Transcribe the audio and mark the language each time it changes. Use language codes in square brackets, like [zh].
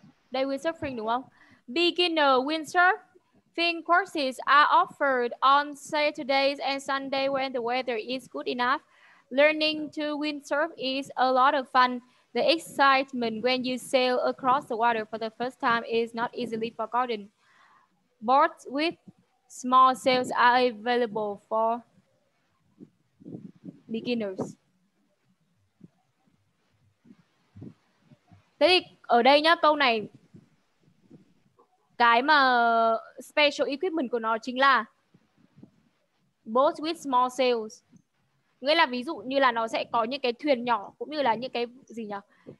[vi] Đây, windsurfing đúng không? [en] Beginner windsurfing courses are offered on Saturdays and Sunday when the weather is good enough. Learning to windsurf is a lot of fun. The excitement when you sail across the water for the first time is not easily forgotten. Boards with small sails are available for beginners. [vi] Thế thì ở đây nhá, câu này cái mà special equipment của nó chính là boats with small sails. Nghĩa là ví dụ như là nó sẽ có những cái thuyền nhỏ cũng như là những cái gì nhỉ?